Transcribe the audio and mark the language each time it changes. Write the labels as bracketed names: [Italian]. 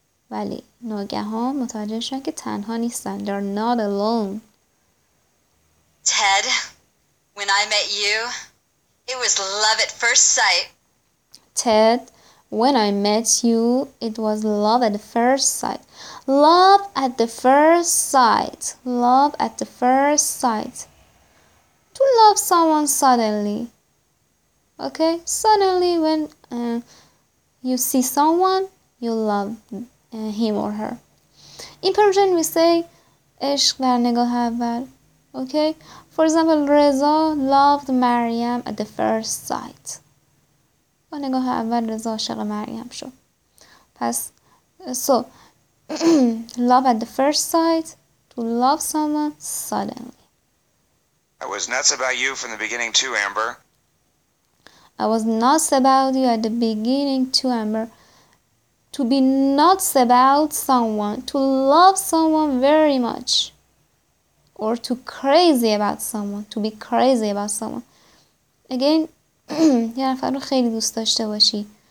[Persian] ولی ناگهان متوجه شدن که تنها نیستن. [English] They're not alone. Ted, when I met you, it was love at first sight. Ted, when I met you, it was love at first sight. Love at the first sight. Love at the first sight. To love someone suddenly. Okay? Suddenly, when you see someone, you love him or her. In Persian, we say, [Persian] عشق در نگاه اول. [English] Okay? For example, Reza loved Maryam at the first sight. [Persian] با نگاه اول Reza عاشق مریم شد. [English] پس, so, love at the first sight, to love someone suddenly. I was nuts about you from the beginning too, Amber. I was nuts about you at the beginning too, Amber. To be nuts about someone, to love someone very much. Or to crazy about someone. To be crazy about someone. Again, [Persian] یه نفر رو خیلی دوست داشته باشی.